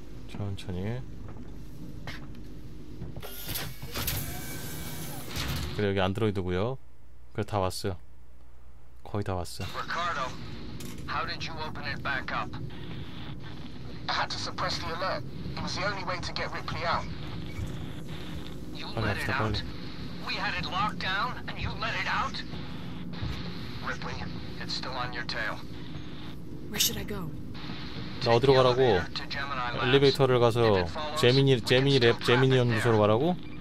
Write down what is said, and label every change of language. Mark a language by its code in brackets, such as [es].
[ko] 천천히. 그래, 여기 안드로이드고요. 그래, 다 왔어요. 거의 다 왔어요. [en] Ricardo, how did you open it back up? I had to suppress the alert. It was the only way to get Ripley out. You let it out? We had it locked down and you let it out? Ripley, it's still on your tail. Where should I go? [ko] 나 어디로 가라고? 엘리베이터를 가서 제미니 랩 제미니 연구소로 가라고?